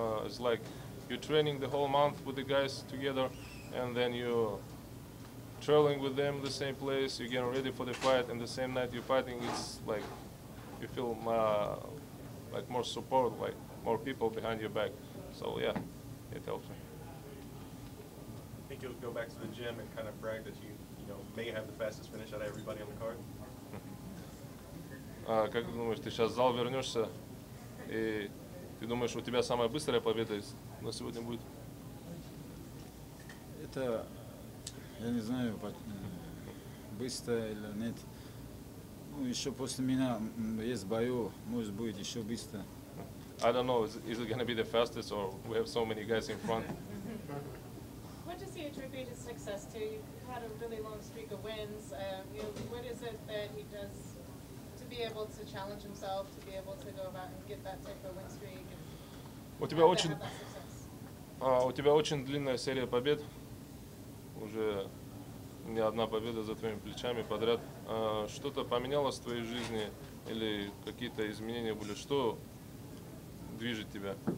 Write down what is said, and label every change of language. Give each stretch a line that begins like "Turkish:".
English: It's like you're training the whole month with the guys together, and then you're traveling with them the same place, you're getting ready for the fight, and the same night you're fighting, it's like you feel like more support, like more people behind your back. So yeah, it helps. Do you think you'll go back to the gym and kind of brag that you, may have the fastest finish out of everybody on the card?
Russian: Как думаешь, ты сейчас в зал вернешься и ты думаешь, у тебя самая быстрая победа на сегодня будет? Это я не знаю, быстро или нет. Ну еще после меня есть бою, может быть еще быстро.
English: I don't know. Is it gonna be the fastest or we have so many guys in front? What does he attribute his success to? You've had a really long streak of wins. What is it that he does to be able to challenge himself, to be able to go about and get that type of win streak?
Russian: У тебя очень длинная серия побед. Уже не одна победа за твоими плечами подряд. Что-то поменялось в твоей жизни или какие-то изменения были? Что движет тебя?